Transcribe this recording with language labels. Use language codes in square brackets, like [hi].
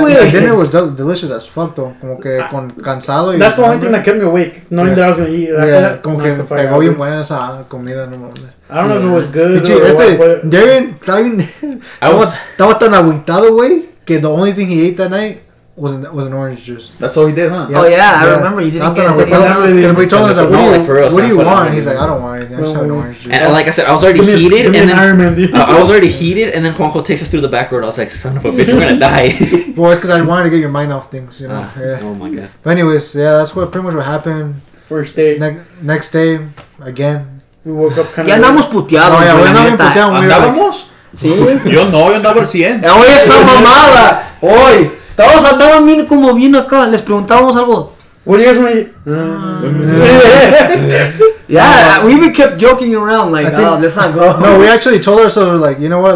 [en] Dinner was delicious as fuck, though. [es] Como que con cansado. [en] That's the only thing that kept me awake, knowing that I was going to eat. [es] Yeah, como que pegó bien buena esa comida, no mames. [en] I don't know if it was good. Pichu, or este, what, Darren, [es] estaba tan aguitado, güey, que [en] the only thing he ate that night was an orange juice. That's all he did, huh? Yeah. Oh, yeah, I remember. You didn't get anything. We told him, like, what do you want? He's like, I don't want anything. I just have an orange juice. And like I said, I was already heated. And then Iron Man, dude. I was already heated, and then Juanjo takes us through the back road. I was like, son of a bitch, we're going to die. Well, it's because I wanted to get your mind off things, you know. Oh, my God. But anyways, yeah, that's pretty much what happened. First day. Next day, again. We woke up kind [es] of... Ya andamos puteados. Oh, yeah, andamos puteados. ¿Andábamos? Sí. Yo no, yo andaba recién. Oye, esa mamada. Oye. Todos andaban bien como bien acá. Les preguntábamos algo. [en] What do you guys want Yeah, we even kept joking around. Like, think, oh, let's not go. No, we actually told ourselves, like, you know what?